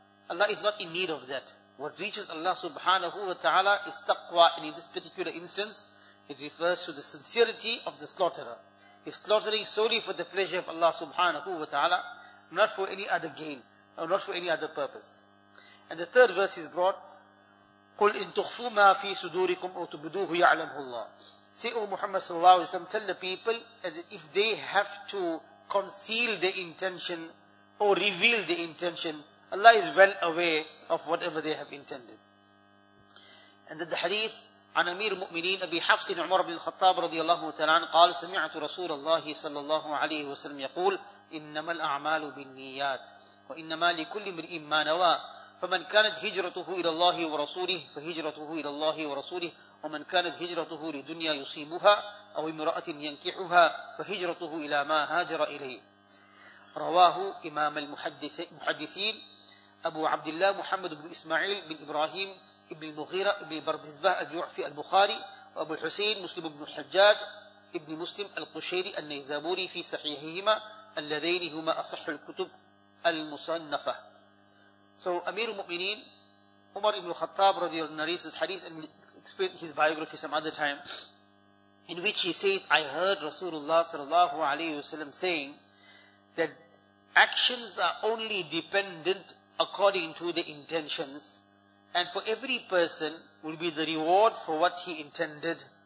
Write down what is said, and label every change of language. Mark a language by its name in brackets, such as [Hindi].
[English] Allah is not in need of that. What reaches Allah subhanahu wa ta'ala is taqwa, and in this particular instance, it refers to the sincerity of the slaughterer. He's slaughtering solely for the pleasure of Allah subhanahu wa ta'ala, not for any other gain, or not for any other purpose. And the third verse is brought, [Arabic] قُلْ إِن تُخْفُوا مَا فِي صُدُورِكُمْ أَوْ تُبْدُوهُ يَعْلَمْهُ اللَّهُ. [English] Say, O Muhammad sallallahu alayhi wa sallam, tell the people that if they have to conceal their intention or reveal their intention, Allah is well aware of whatever they have intended. And that the hadith, [Arabic] عن أمير المؤمنين أبي حفص عمر بن الخطاب رضي الله تعالى عنه قال سمعت رسول الله صلى الله عليه وسلم يقول إنما الأعمال بالنيات وإنما لكل امرئ ما نوى فمن كانت هجرته إلى الله ورسوله فهجرته إلى الله ورسوله ومن كانت هجرته لدنيا يصيبها أو امرأة ينكحها فهجرته إلى ما هاجر إليه. رواه إمام المحدثين أبو عبد الله محمد بن إسماعيل بن إبراهيم ابن المغيرة ابن بردزبه الجعفي البخاري وأبو الحسين مسلم بن الحجاج ابن مسلم القشيري النيزابوري في صحيحهما اللذين هما أصح الكتب المصنفة. [English] So [Arabic] أمير المؤمنين عمر بن الخطاب رضي الله عنه [English] narrates his hadith and explains his biography some other time, in which he says, I heard Rasulullah sallallahu alayhi wasallam saying that actions are only dependent according to the intentions, and for every person will be the reward for what he intended.